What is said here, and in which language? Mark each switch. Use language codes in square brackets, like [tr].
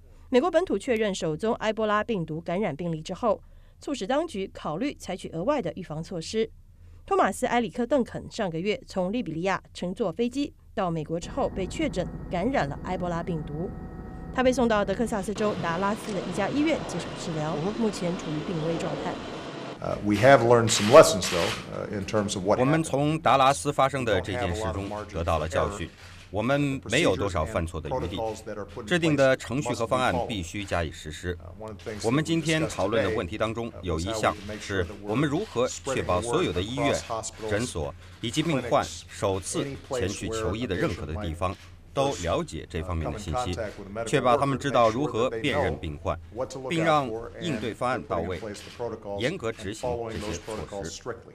[zh] 美国本土确认首宗埃博拉病毒感染病例之后，促使当局考虑采取额外的预防措施。托马斯·埃里克·邓肯上个月从利比利亚乘坐飞机到美国之后被确诊感染了埃博拉病毒，他被送到德克萨斯州达拉斯的一家医院接受治疗，目前处于病危状态。 [en] We have learned some lessons, though, in terms of what. [zh] 我们从达拉斯发生的这件事中得到了教训。我们没有多少犯错的余地，制定的程序和方案必须加以实施。我们今天讨论的问题当中有一项是我们如何确保所有的医院、诊所以及病患首次前去求医的任何的地方都了解这方面的信息，确保他们知道如何辨认病患，并让应对方案到位，严格执行这些措施。